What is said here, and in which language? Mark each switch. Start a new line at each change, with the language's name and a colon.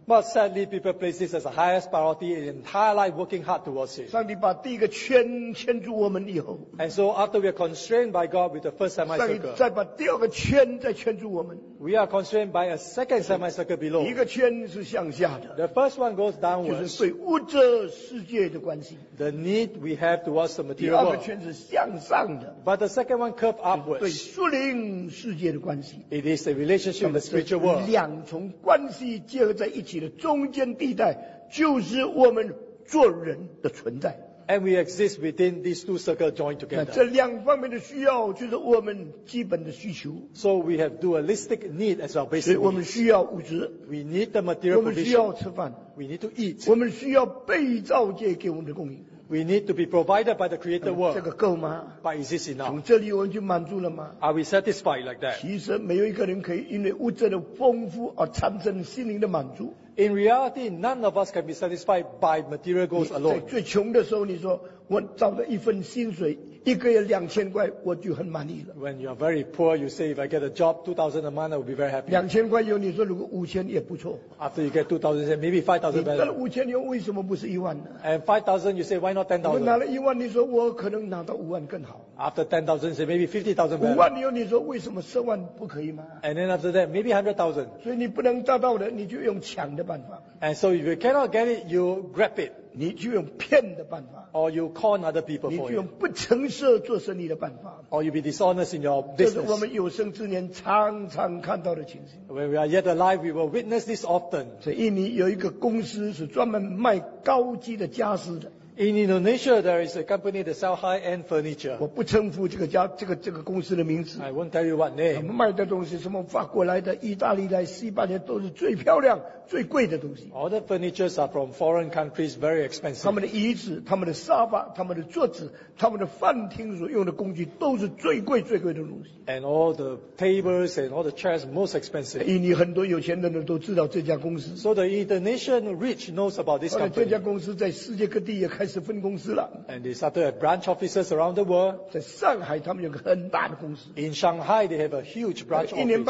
English: But sadly, people place this as the highest priority in entire life, working hard towards it.
Chinese: 上帝把第一个圈牵住我们以后
English: ，And so after we are constrained by God with the first semicircle,
Chinese: 上帝再把第二个圈再圈住我们。
English: We are constrained by a second semicircle below.
Chinese: 一个圈是向下的
English: ，The first one goes downwards.
Chinese: 就是对物质世界的关系。
English: The need we have towards the material world.
Chinese: 第二个圈是向上的
English: ，But the second one curves upwards.
Chinese: 对属灵世界的关系。
English: It is a relationship with the spiritual world.
Chinese: 两重关系结合在一起。的中间地带就是我们做人的存在。
English: And we exist within these two circles joined together.
Chinese: 这两方面的需要就是我们基本的需求。
English: So we have dualistic need as our basic.
Chinese: 所以我们需要物质。
English: We need the material provision.
Chinese: 我们需要吃饭。
English: We need to eat.
Chinese: 我们需要被造界给我们的供应。
English: We need to be provided by the created world.
Chinese: 这个够吗?
English: But is this enough?
Chinese: 从这里我们就满足了吗?
English: Are we satisfied like that?
Chinese: 其实没有一个人可以因为物质的丰富而产生心灵的满足。
English: In reality, none of us can be satisfied by material goals alone.
Chinese: 在最穷的时候你说, 我找到一份薪水, 一个月2000块, 我就很满意了。
English: When you are very poor, you say, if I get a job, 2000 a month, I will be very happy.
Chinese: 2000块有你说, 如果5000也不错。
English: After you get 2000, you say, maybe 5000 better.
Chinese: 你得了5000又为什么不是1万呢?
English: And 5000, you say, why not 10,000?
Chinese: 我拿了1万你说, 我可能拿到5万更好。
English: After 10,000, you say, maybe 50,000 better.
Chinese: 5万以后你说, 为什么10万不可以吗?
English: And then after that, maybe 100,000.
Chinese: 所以你不能达到的, 你就用抢的办法。
English: And so if you cannot get it, you grab it.
Chinese: 你就用骗的办法,
English: or you call other people for it.
Chinese: 你就用不诚实做生意的办法,
English: or you be dishonest in your business.
Chinese: 这是我们有生之年常常看到的情形。
English: When we are yet alive, we will witness this often.
Chinese: 所以印尼有一个公司是专门卖高级的家私的。
English: In Indonesia, there is a company that sells high-end furniture.
Chinese: 我不称呼这个公司的名字。
English: I won't tell you what name.
Chinese: 卖的东西什么法国来的、意大利来、西班牙都是最漂亮、最贵的东西。
English: All the furnitures are from foreign countries, very expensive.
Chinese: 他们的椅子、他们的沙发、他们的桌子、他们的饭厅所用的工具都是最贵、最贵的东西。
English: And all the tables and all the chairs, most expensive.
Chinese: 印尼很多有钱的人都知道这家公司。
English: So the Indonesian rich knows about this company.
Chinese: 这家公司在世界各地也开始。
English: And they started a branch offices around the world.
Chinese: 在上海他们有个很大的公司。
English: In Shanghai, they have a huge branch office.